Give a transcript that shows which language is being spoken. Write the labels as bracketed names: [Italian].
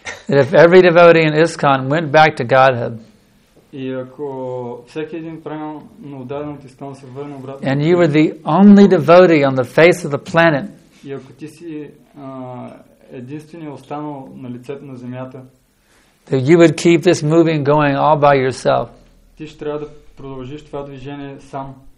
[English] If every devotee in ISKCON went back to Godhead. [Bulgarian] И ако всеки един правилно отдаден от ISKCON се върне обратно. [English] And you were the only devotee on the face of the planet. [Bulgarian] И ако ти си единственият останал на лицето на земята. [English] That you would keep this moving going all by yourself. [Bulgarian] Ти ще трябва да продължиш това движение сам.